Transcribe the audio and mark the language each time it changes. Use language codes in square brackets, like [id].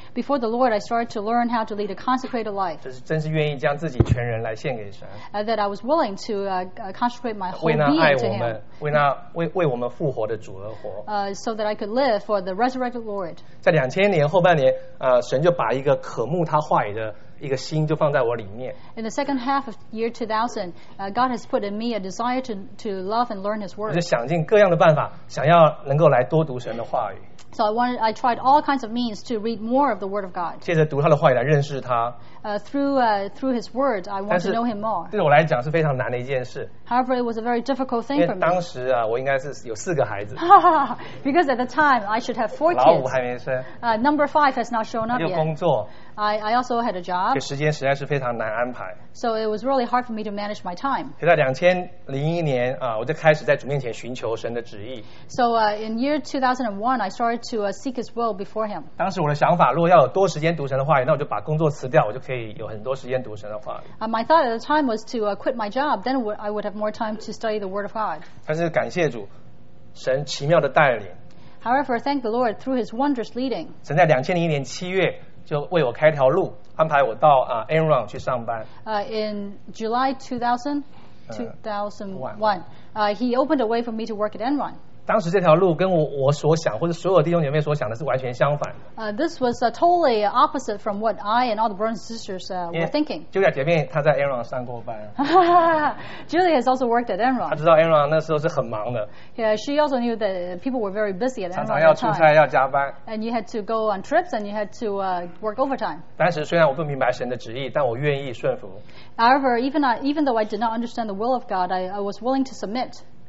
[en] Before the Lord, I started to learn how to lead a consecrated life. [zh] 就是真是愿意将自己全人来献给神。 [en] That I was willing to consecrate my whole being to Him. [zh] 为那爱我们，为我们复活的主而活。 [en] So that I could live for the resurrected Lord. [zh] 在2000年后半年，神就把一个渴慕他话语的一个心就放在我里面。 [en] In the second half of year 2000, God has put in me a desire to love and learn His word. [zh] 我就想尽各样的办法，想要能够来多读神的话语。 [en] So I tried all kinds of means to read more of the Word of God. [zh] 借着读他的话语来认识他。 [en] Through His Word, I want to know Him more. [zh] 对我来讲是非常难的一件事。 [en] However, it was a very difficult thing for me. [zh] 因为当时我应该是有四个孩子。 [en] Because at the time, I should have four kids. [zh] 老五还没生。 [en] Number five has not shown up yet. [zh] 又工作。 [en] I also had a job. [zh] 时间实在是非常难安排。 [en] So it was really hard for me to manage my time. [zh] 就在2001年我就开始在主面前寻求神的旨意。 [en] So in year 2001, I started to seek His will before Him. [zh] 当时我的想法，如果要有多时间读神的话语，那我就把工作辞掉，我就可以有很多时间读神的话语。 [en] My thought at the time was to quit my job, then I would have more time to study the Word of God. [zh] 但是感谢主，神奇妙的带领。 [en] However, thank the Lord through His wondrous leading. [zh] 神在2001年7月。就为我开条路，安排我到Enron 去上班。 [en] In July 2001, he opened a way for me to work at Enron. [zh] 当时这条路跟我所想，或者所有弟兄姐妹所想的是完全相反。 [en] This was totally opposite from what I and all the brothers and sisters were thinking. [zh] Julia 姐妹她在 Enron 上过班。 [en] Julia has also worked at Enron. [zh] 她知道 Enron 那时候是很忙的。 [en] Yeah, she also knew that people were very busy at Enron. [zh] 常常要出差，要加班。 [en] And you had to go on trips and you had to work overtime. [zh] 当时虽然我不明白神的旨意，但我愿意顺服。 [en] However, even though I did not understand the will of God, I was willing to submit.